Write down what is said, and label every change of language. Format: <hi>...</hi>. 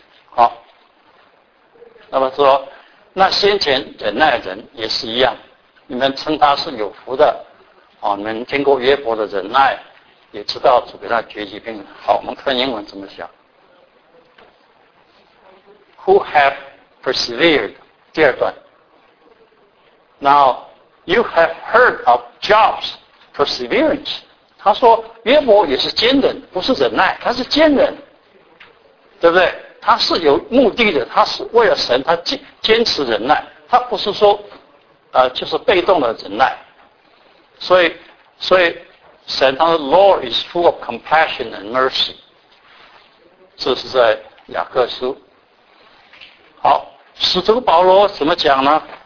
<zh>好，那么说那先前忍耐的人也是一样，你们称他是有福的，哦，你们听过约伯的忍耐，也知道主给他绝疾病。好，我们看英文怎么想。</zh> <en>Who have persevered，</en> <zh>第二段。</zh> <en>NowYou have heard of Job's perseverance.</en> <zh>他说约伯也是坚忍，不是忍耐，他是坚忍，对不对？他是有目的的，他是为了神，他坚持忍耐，他不是说就是被动的忍耐。所以神他说</zh> <en>Lord is full of compassion and mercy，</en> <zh>这是在雅各书。好，使徒保罗怎么讲呢？</zh>